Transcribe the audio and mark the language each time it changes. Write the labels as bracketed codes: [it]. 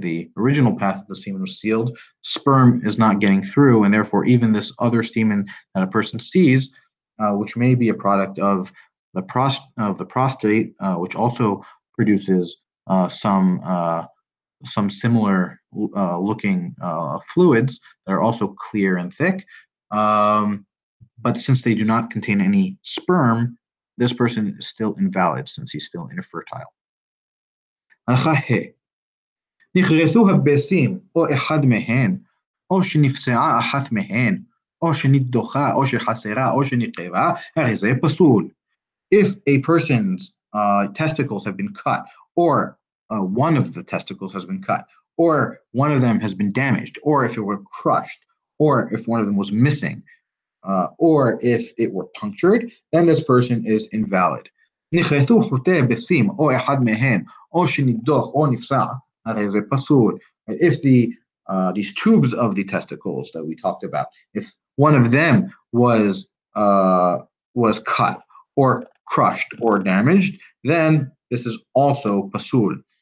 [en] The original path of the semen was sealed. Sperm is not getting through, and therefore, even this other semen that a person sees, which may be a product of the prostate, which also produces some similar looking fluids that are also clear and thick. But since they do not contain any sperm, this person is still invalid since he's still infertile. [he] נכרתו הבסים או אחד מהן או שנפצעה אחת מהן או שנדוחה או שחסרה או שנקבה, הרי זה פסול. [en] If a person's testicles have been cut, or one of the testicles has been cut, or one of them has been damaged, or if it were crushed, or if one of them was missing, or if it were punctured, then this person is invalid. [he] נכרתו חוטי הבסים או אחד מהן או שנדוח או נפסע, הרי זה פסול. [en] If the these tubes of the testicles that we talked about, if one of them was cut or crushed or damaged, then this is also pasul.